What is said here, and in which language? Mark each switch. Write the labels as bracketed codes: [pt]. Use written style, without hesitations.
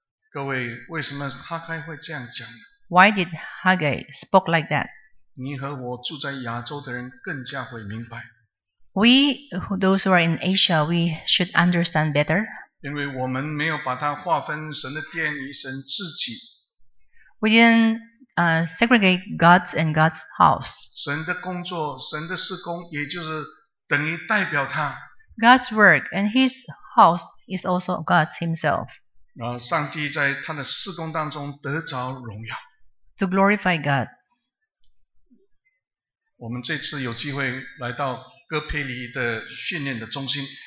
[zh] 各位，为什么哈该会这样讲？ [en] Why did Haggai spoke like that? [zh] 你和我住在亚洲的人更加会明白。 [en] We, those who are in Asia, we should understand better. [zh] 因为我们没有把它划分神的殿与神自己。 [en] We didn't segregate God's and God's house. [zh] 神的工作，神的事工，也就是等于代表他。 [en] God's work and His house is also God's Himself. [zh] 然后上帝在他的事工当中得着荣耀。 [en] To glorify God. [zh] 我们这次有机会来到哥佩里的训练的中心。